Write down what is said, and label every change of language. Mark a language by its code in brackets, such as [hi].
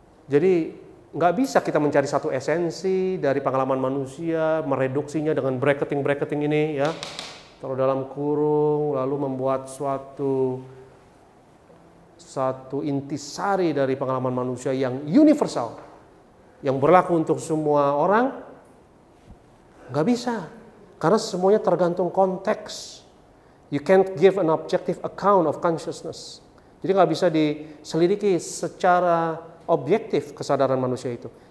[id] Jadi nggak bisa kita mencari satu esensi dari pengalaman manusia, mereduksinya dengan bracketing-bracketing ini, ya, taruh dalam kurung, lalu membuat suatu intisari dari pengalaman manusia yang universal, yang berlaku untuk semua orang, nggak bisa, karena semuanya tergantung konteks. [en] You can't give an objective account of consciousness. [id] Jadi nggak bisa diselidiki secara objektif kesadaran manusia itu.